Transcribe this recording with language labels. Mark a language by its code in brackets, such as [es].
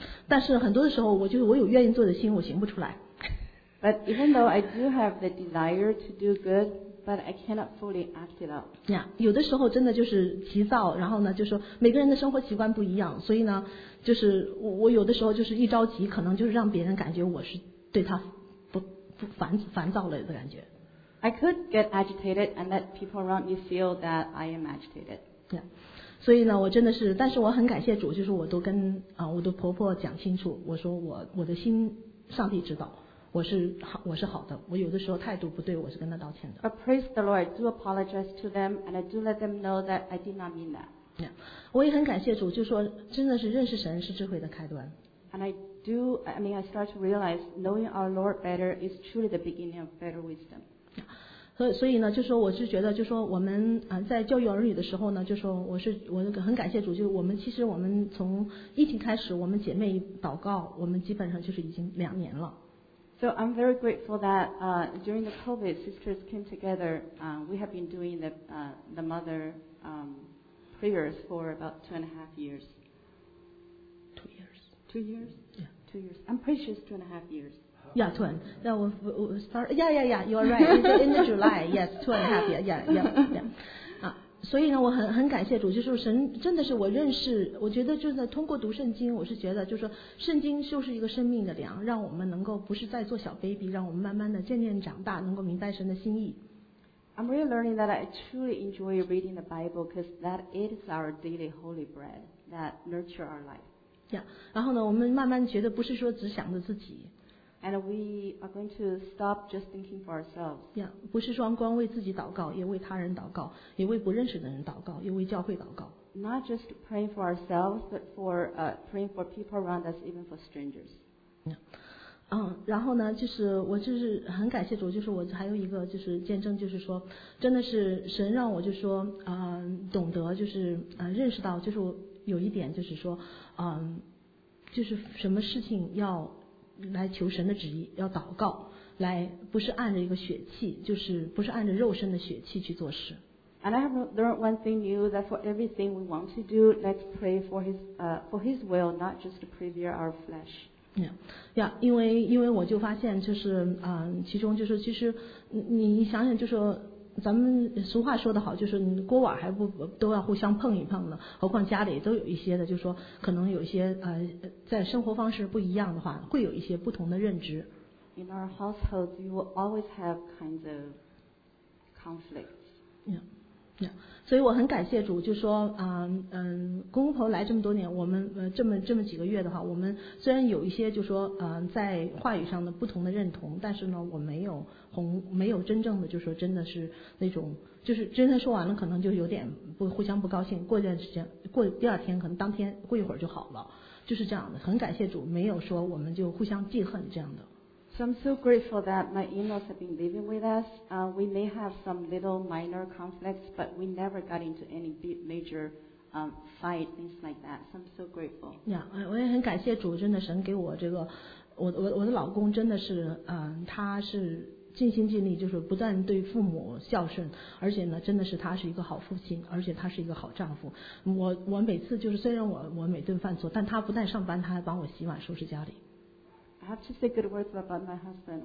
[zh] 但是很多的时候，我有愿意做的心，我行不出来。 [en] But even though I do have the desire to do good, but I cannot fully act it out. Yeah, [zh] 有的时候真的就是急躁，然后呢，就说每个人的生活习惯不一样，所以呢，就是我有的时候就是一着急，可能就是让别人感觉我是对他。烦躁了的感觉。 [en] I could get agitated and let people around me feel that I am agitated. Yeah. [zh] 所以呢，我真的是，但是我很感谢主，就是我都跟我的婆婆讲清楚，我说我的心，上帝知道，我是好的，我有的时候态度不对，我是跟他道歉的。 [en] But praise the Lord, I do apologize to them and I do let them know that I did not mean that. Yeah. [zh] 我也很感谢主，就说真的是认识神是智慧的开端。 [en] And I start to realize knowing our Lord better is truly the beginning of better wisdom. [zh] 所以呢，就说我是觉得，就说我们在教育儿女的时候呢，就说我很感谢主，就是我们其实我们从疫情开始，我们姐妹祷告，我们基本上就是已经两年了。 [en] So I'm very grateful that during the COVID, sisters came together. We have been doing the mother prayers for about 2.5 years. Two years. I'm pretty sure it's 2.5 years. Yeah, two. Yeah, we start. Yeah, yeah, yeah. You're right. In the July. Yes, 2.5 years. Yeah, yeah, yeah. [zh] 所以呢，我很感谢主，就是神真的是我认识，我觉得就是通过读圣经，我是觉得就是说圣经就是一个生命的粮，让我们能够不是在做小 baby， 让我们慢慢的渐渐长大，能够明白神的心意。 [en] I'm really learning that I truly enjoy reading the Bible because that is our daily holy bread that nurture our life. Yeah, [zh] 然后呢，我们慢慢觉得不是说只想着自己。 [en] And we are going to stop just thinking for ourselves. Yeah, [zh] 不是说光为自己祷告，也为他人祷告，也为不认识的人祷告，也为教会祷告。 [en] Not just praying for ourselves, but for praying for people around us, even for strangers. Yeah. [zh] 然后呢，就是我就是很感谢主，就是我还有一个就是见证，就是说真的是神让我就说懂得就是认识到就是。有一点就是说，就是什么事情要来求神的旨意，要祷告，来不是按着一个血气，就是不是按着肉身的血气去做事。 [en] And I have learned one thing new that for everything we want to do, let's pray for His will, not just to prevail our flesh. Yeah, [zh] 因为我就发现就是其中就是其实你想想就是说。咱们俗话说得好，就是锅碗还不都要互相碰一碰呢，何况家里都有一些的，就是说可能有一些在生活方式不一样的话，会有一些不同的认知。 [en] In our households, you will always have kinds of conflicts. Yeah, yeah. [zh] 所以我很感谢主，就说公婆来这么多年，我们这么几个月的话，我们虽然有一些就说在话语上的不同的认同，但是呢，我没有。没有真正的就是说真的是那种就是真的说完了可能就有点不互相不高兴，过一段时间过第二天可能当天过一会儿就好了，就是这样的，很感谢主，没有说我们就互相记恨这样的。 [en] So I'm so grateful that my in-laws have been living with us. We may have some little minor conflicts, but we never got into any big major fight, things like that. So I'm so grateful. Yeah, [zh] 我也很感谢主，真的神给我这个，我的老公真的是，他是尽心尽力，就是不断对父母孝顺，而且呢，真的是他是一个好父亲，而且他是一个好丈夫。我每次就是虽然我每顿饭做，但他不但上班，他还帮我洗碗、收拾家里。 [en] I have to say good words about my husband.